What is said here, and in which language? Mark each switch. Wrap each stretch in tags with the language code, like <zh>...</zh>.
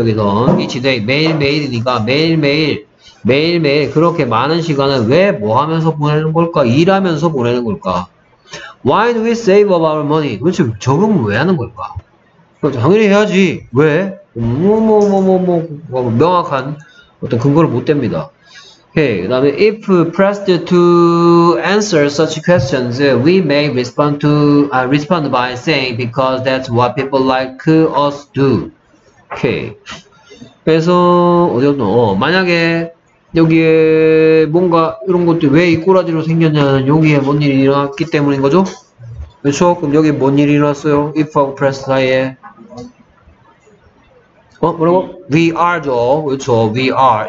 <ko>여기서</ko> <en>each day</en> <ko>매일매일이니까 매일매일 그렇게 많은 시간을 왜 뭐 하면서 보내는 걸까? 일하면서 보내는 걸까?</ko> <en>Why do we save up our money?</en> <ko>도대체 저금은 왜 하는 걸까? 그렇죠. 당연히 해야지. 왜? 명확한 어떤 근거를 못 댑니다. Okay. 그 다음에</ko> <en>if pressed to answer such questions, we may respond to respond by saying because that's what people like us do.</en> <ko>Okay. 그래서 어디였노? 만약에 여기에 뭔가 이런 것들이 왜 이 꼬라지로 생겼냐는 여기에 뭔 일이 일어났기 때문인 거죠? 그렇죠? 그럼 여기 뭔 일이 일어났어요? if하고 press 사이에 뭐라고? we are죠. 그렇죠. we are.</ko>